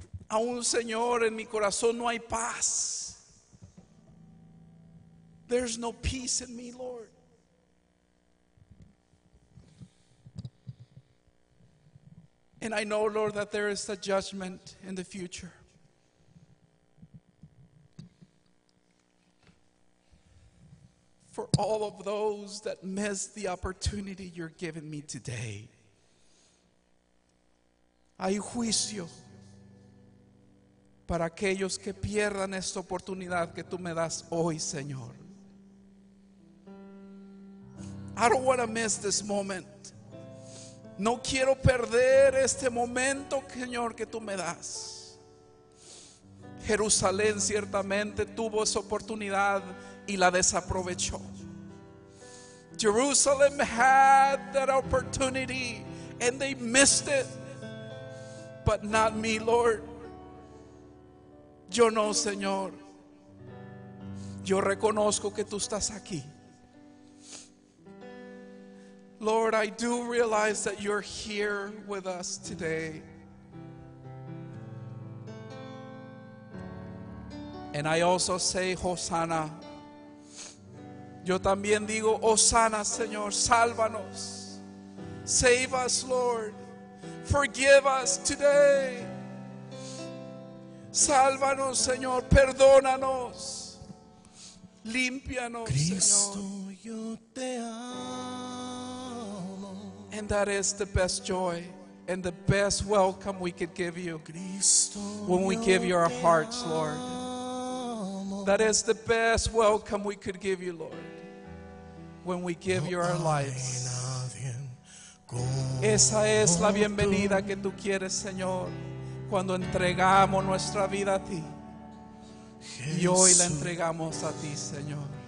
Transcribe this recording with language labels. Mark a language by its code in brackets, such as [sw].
[es] Aún, Señor, en mi corazón no hay paz. [en] There's no peace in me, Lord. And I know, Lord, that there is a judgment in the future. For all of those that missed the opportunity you're giving me today, [es] hay juicio para aquellos que pierdan esta oportunidad que tú me das hoy, Señor. [en] I don't want to miss this moment. [es] No quiero perder este momento, Señor, que tú me das. Jerusalén ciertamente tuvo esa oportunidad y la desaprovechó. [en] Jerusalem had that opportunity and they missed it. But not me, Lord. [es] Yo no, Señor. Yo reconozco que tú estás aquí. [en] Lord, I do realize that you're here with us today. And I also say, Hosanna. [es] Yo también digo, Hosanna, Señor, sálvanos. [en] Save us, Lord. Forgive us today. [es] Sálvanos, Señor, perdónanos. Límpianos, Cristo, Señor. Yo te amo. [en] And that is the best joy and the best welcome we could give you when we give you our hearts, Lord. That is the best welcome we could give you, Lord, when we give you our lives. [es] Esa es la bienvenida que tú quieres, Señor, cuando entregamos nuestra vida a ti. Y hoy la entregamos a ti, Señor.